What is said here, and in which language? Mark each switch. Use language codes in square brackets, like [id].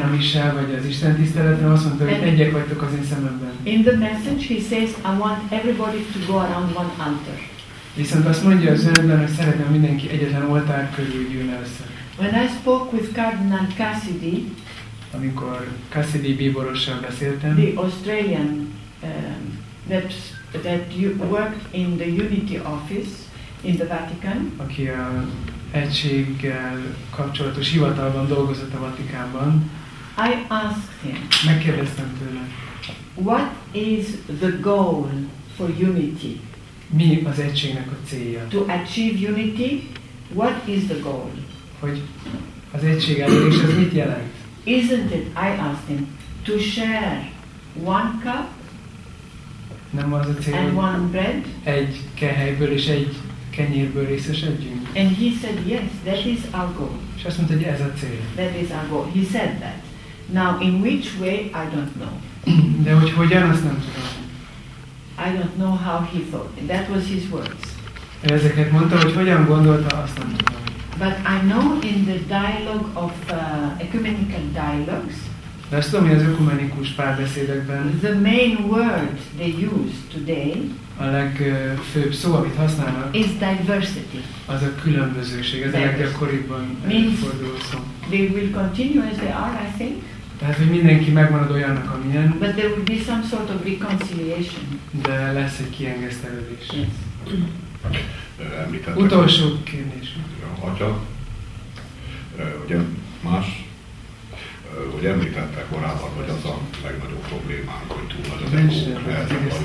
[hu] a misa, vagy az Isten tiszteletben, azt mondta, hogy egyek vagytok az én szememben. [en] In the message he says, I want everybody to go around one altar. [hu] Viszont azt mondja az üzenetben, hogy szeretném mindenki egyetlen oltár körül gyűjön össze. [en] When I spoke with Cardinal Cassidy, [hu] amikor Cassidy bíborossal beszéltem, [en] the Australian that you worked in the Unity Office in the Vatican, [hu] aki a egységgel kapcsolatos hivatalban dolgozott a Vatikánban. [en] I asked him. [hu] Megkérdeztem tőle. [en] What is the goal for unity? [hu] Mi az egységnek a célja? [en] To achieve unity, what is the goal? [hu] Hogy az egység elérés, az mit jelent? [en] Isn't it, I asked him, to share one cup [hu] nem az a cél, [en] and one bread? [hu] Egy kehelyből és egy kenyérből részesedjünk. [en] And he said, yes, that is our goal. [hu] És azt mondta, hogy ez a cél. [en] That is our goal. He said that. Now, in which way, I don't know. [hu] De hogy hogyan, azt nem tudom. [en] I don't know how he thought. That was his words. [hu] Ezeket mondta, hogy hogyan gondolta, azt nem tudom. [en] But I know in the dialogue of ecumenical dialogues. [hu] De azt tudom, hogy az ökumenikus párbeszédekben. [en] The main word they use today. [hu] A legfőbb szó, amit használnak. [en] Is diversity. [hu] Az a különbözőség. Ez a leggyakoribban előforduló szó. [en] They will continue as they are, I think. [hu] Tehát, hogy mindenki megmarad olyannak, amilyen. [en] But there will be some sort of reconciliation. [hu] De lesz egy kiengesztelődés. [en] Yes. [hu] említettek. Utolsó kérdés. Atya, ugye más, hogy említettek korábban, hogy az a legnagyobb problémánk, hogy túl nagy az egók, lehet a